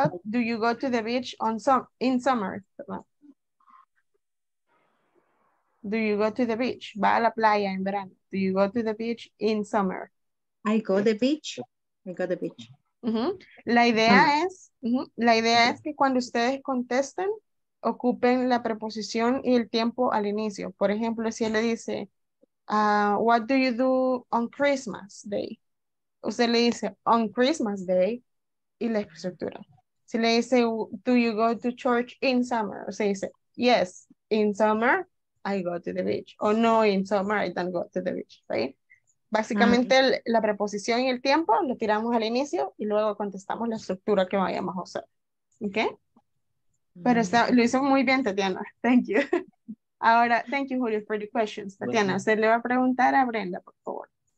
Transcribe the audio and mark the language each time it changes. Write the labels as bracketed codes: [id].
[en] Do you go to the beach in summer? Do you go to the beach? [es] Va a la playa en verano. [en] Do you go to the beach in summer? I go to the beach. [es] La idea es que cuando ustedes contesten, ocupen la preposición y el tiempo al inicio. Por ejemplo, si él le dice, [en] what do you do on Christmas Day? [es] Usted le dice, [en] on Christmas Day, [es] y la estructura. Si le dice, [en] do you go to church in summer? [es] Usted dice, [en] yes, in summer, I go to the beach. [es] O no, [en] in summer, I don't go to the beach, right? [es] Básicamente, la preposición y el tiempo lo tiramos al inicio y luego contestamos la estructura que vayamos a usar. ¿Ok? Pero lo hizo muy bien, Tatiana. Thank you. Ahora, [en] thank you, Julio, for the questions. [es] Tatiana, usted le va a preguntar a Brenda, por favor.